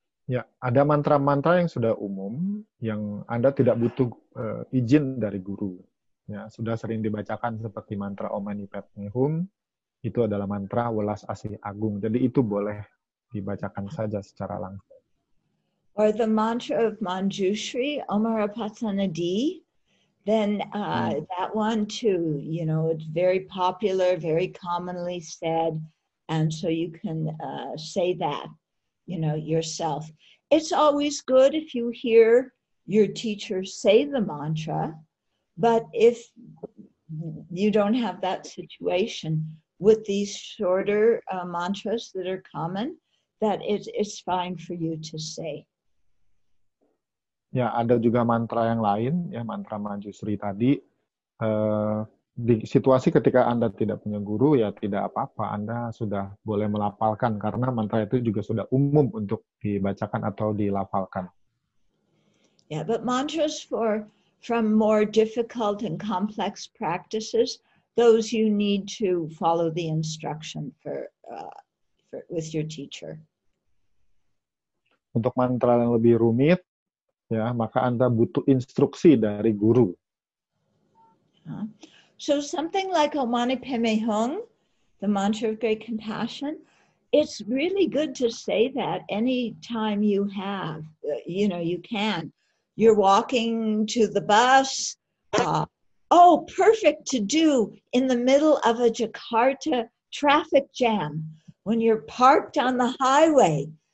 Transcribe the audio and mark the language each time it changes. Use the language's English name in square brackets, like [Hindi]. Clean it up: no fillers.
[Indonesian] Ya, ada mantra-mantra yang sudah umum yang Anda tidak butuh izin dari guru. Ya, sudah sering dibacakan seperti mantra Om Mani Padme Hum, itu adalah mantra Welas Asih Agung. Jadi itu boleh dibacakan saja secara langsung. [English] Or the mantra of Manjushri, Omarapatsanadi, then that one too, you know, it's very popular, very commonly said, and so you can say that. You know, yourself. It's always good if you hear your teacher say the mantra, but if you don't have that situation with these shorter mantras that are common, that it's fine for you to say. [Indonesian] Ya, ada juga mantra yang lain, ya, mantra Manjusri tadi. Di situasi ketika Anda tidak punya guru, ya tidak apa-apa, Anda sudah boleh melafalkan, karena mantra itu juga sudah umum untuk dibacakan atau dilafalkan. [English] Yeah, but mantras from more difficult and complex practices, those you need to follow the instruction for with your teacher. [Indonesian] Untuk mantra yang lebih rumit, ya, maka Anda butuh instruksi dari guru. [English] So something like Om Mani Padme Hum, the mantra of great compassion, it's really good to say that any time you have, you know, you can. You're walking to the bus. Perfect to do in the middle of a Jakarta traffic jam when you're parked on the highway.